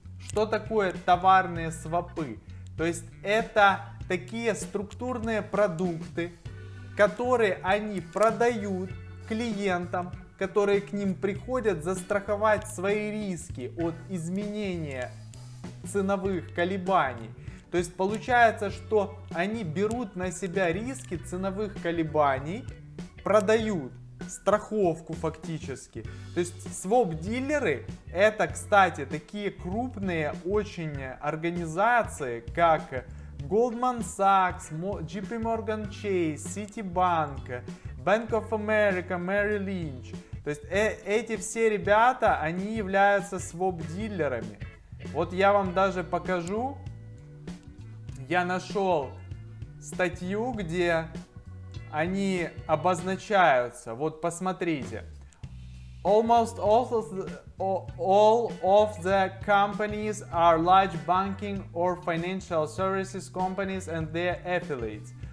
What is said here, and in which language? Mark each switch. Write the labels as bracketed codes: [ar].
[ru] Что такое товарные свопы? То есть это такие структурные продукты, которые они продают клиентам, которые к ним приходят застраховать свои риски от изменения ценовых колебаний. То есть получается, что они берут на себя риски ценовых колебаний, продают страховку фактически. То есть своп-дилеры это, кстати, такие крупные очень организации, как Goldman Sachs, JP Morgan Chase, Citibank, Bank of America, Merrill Lynch. То есть эти все ребята, они являются своп-дилерами. Вот я вам даже покажу. Я нашел статью, где они обозначаются. Вот посмотрите. [en] Almost all of the companies are large banking or financial services companies and their affiliates.